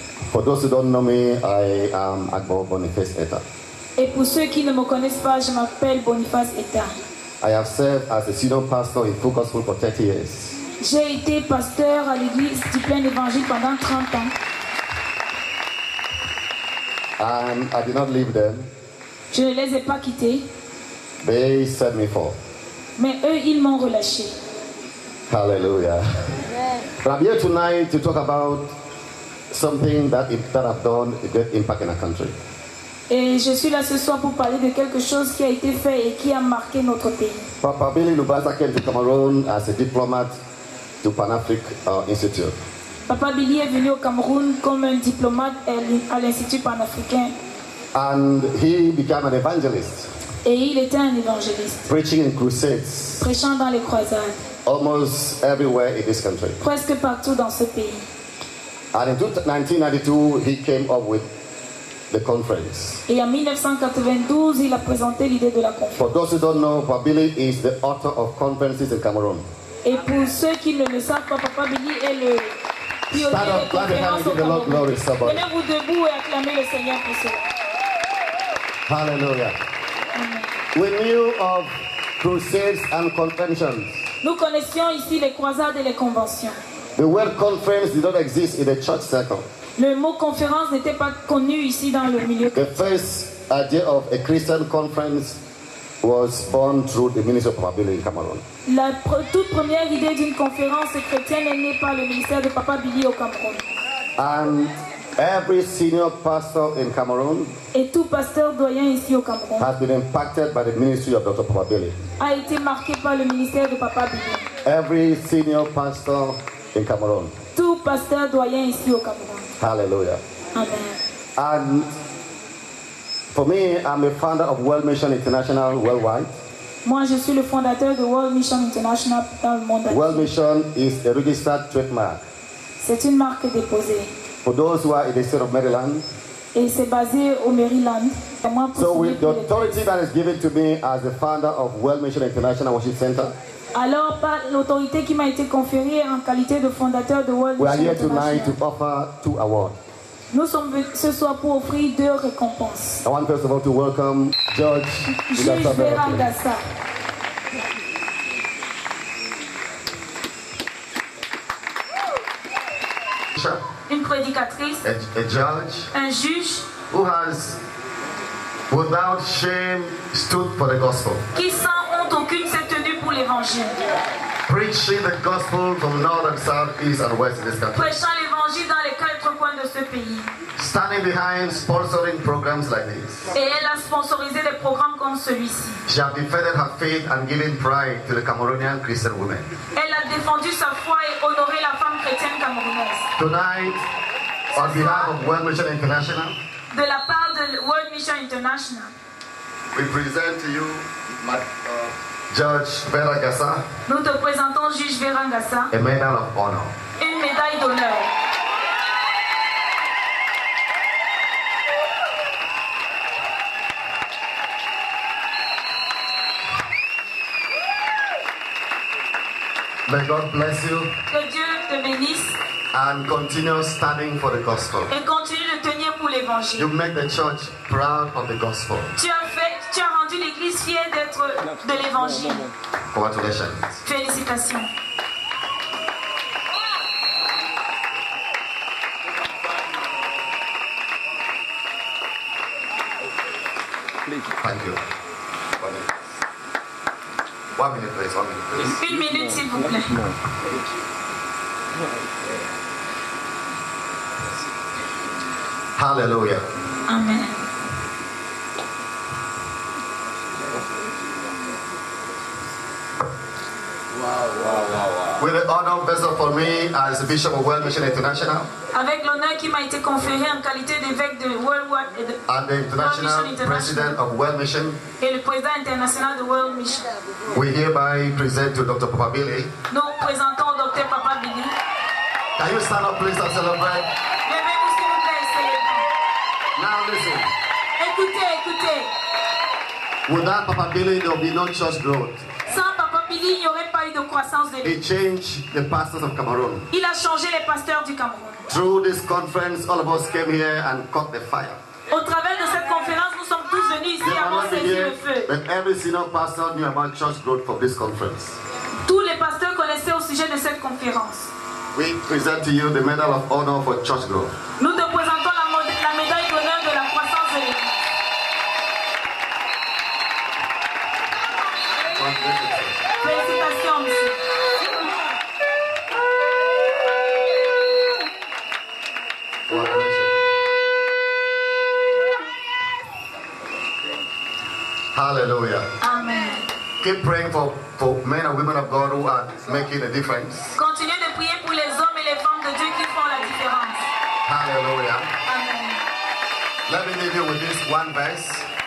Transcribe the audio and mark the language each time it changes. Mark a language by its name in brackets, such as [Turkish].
[English] For those who don't know me, I am Agbo Boniface Etta. [French] Et pour ceux qui ne me connaissent pas, je m'appelle Boniface Etta. [English] I have served as a student pastor in Focus School for 30 years. [French] J'ai été pasteur à l'église du plein évangile pendant 30 ans. [English] And I did not leave them. [French] Je ne les ai pas quittés. [English] They sent me for. [French] Mais eux, ils m'ont relâché. [English] Hallelujah. Yeah. I'm here tonight to talk about something that I've done a great impact in our country. [French] Et je suis là ce soir pour parler de quelque chose qui a été fait et qui a marqué notre pays. [English] Papa Billy Lubaza came to Cameroon as a diplomat to Pan Africa Institute. [French] Papa Billy est venu au Cameroun comme un diplomate à l'Institut panafricain. [English] And he became an evangelist. [French] Et il était un évangéliste. [English] Preaching in crusades. [French] Prêchant dans les croisades. [English] Almost everywhere in this country. [French] Presque partout dans ce pays. [English] And in 1992, he came up with the conference. [French] Et en 1992, il a présenté l'idée de la conférence. [English] For those who don't know, Papa Billy is the author of conferences in Cameroon. [French] Et pour ceux qui ne le savent pas, Papa Billy est le pionnier de la conférence au Cameroun. Tenez-vous debout et acclamez le Seigneur pour cela. [English] Hallelujah. We knew of crusades and conventions. [French] Nous connaissions ici les croisades et les conventions. [English] The word conference did not exist in the church circle. [French] Le mot conférence n'était pas connu ici dans le milieu. [English] The first idea of a Christian conference was born through the ministry of Papa Billy in Cameroon. [French] La toute première idée d'une conférence chrétienne est née par le ministère de Papa Billy au Cameroun. [English] And every senior pastor in Cameroon, [French] et tout pasteur doyen ici au Cameroun, [English] has been impacted by the ministry of Dr. Papa Billy. [French] A été marqué par le ministère de Papa Billy. [English] Every senior pastor in Cameroon, [French] tout pasteur doyen ici au Cameroun. [English] Hallelujah. Amen. And for me, I'm a founder of World Mission International worldwide. [French] Moi, je suis le fondateur de World Mission International dans le monde. [English] World Mission is a registered trademark. [French] C'est une marque déposée. [English] For those who are in the state of Maryland. [French] Et c'est basé au Maryland. [English] So with the authority that is given to me as the founder of World Mission International Worship Center. [French] Alors par l'autorité qui m'a été conférée en qualité de fondateur de World Mission International. [English] We are here tonight to offer two awards. [French] Nous sommes venus ce soir pour offrir deux récompenses. [English] I want first of all to welcome George. [French] Juge Verandassa. Une prédicatrice. [English] A judge. [French] Un juge. [English] Who has, without shame, stood for the gospel. [French] Qui sans honte aucune s'est tenu pour l'évangile. [English] Preaching the gospel from north and south, east and west in this country. [French] Prêchant l'évangile dans les quatre coins de ce pays. [English] Standing behind sponsoring programs like this. [French] Et elle a sponsorisé des programmes comme celui-ci. [English] She has defended her faith and given pride to the Cameroonian Christian woman. [French] Elle a défendu sa foi et honoré la femme chrétienne camerounaise. [English] Tonight, on behalf of World Mission International. [French] De la part de World Mission International. [English] We present to you my Judge Vera Gassa. [French] Nous te présentons Juge Vera Gassa. [English] A medal of honor. [French] Une médaille d'honneur. [English] May God bless you. [French] Que Dieu te bénisse. [English] And continue standing for the gospel. [French] Et continue de tenir pour l'évangile. [English] You make the church proud of the gospel. [French] Tu as rendu l'église fière d'être de l'évangile. [English] Congratulations. [French] Félicitations. [English] Thank you. 1 minute, please. 1 minute, please. [French] 1 minute, s'il vous plaît. [English] Hallelujah. Amen. Wow. With the honor vessel for me as Bishop of World Mission International. [French] Avec l'honneur qui m'a été conféré en qualité d'évêque de World War, [English] and the international World Mission President of World Mission. [French] Et le président international de World Mission. [English] We hereby present to Dr. Papa Billy. [French] Nous présentons Dr. Papa Billy. [English] Can you stand up, please, and celebrate? [French] Levez-vous, s'il vous plaît, [English] now listen. [French] Écoutez. [English] Without Papa Billy, there will be no church growth. [French] Sans Papa Billy, il n'y aurait pas eu de croissance de lui. [English] He changed the pastors of Cameroon. [French] Il a changé les pasteurs du Cameroun. [English] Through this conference, all of us came here and caught the fire. [French] Au travers de cette conférence, nous sommes tous venus ici avoir saisi le feu. [English] But every single pastor knew about church growth from this conference. [French] Tous les pasteurs connaissaient au sujet de cette conférence. [English] We present to you the Medal of Honor for Church Growth. [French] Nous te présentons la médaille d'honneur de la croissance de l'Église. Félicitations, monsieur. [English] Hallelujah. Amen. Keep praying for men and women of God who are making a difference. [French] Continuez de prier pour les hommes et les femmes de Dieu qui font la différence. [English] Hallelujah. Amen. Let me leave you with this one verse.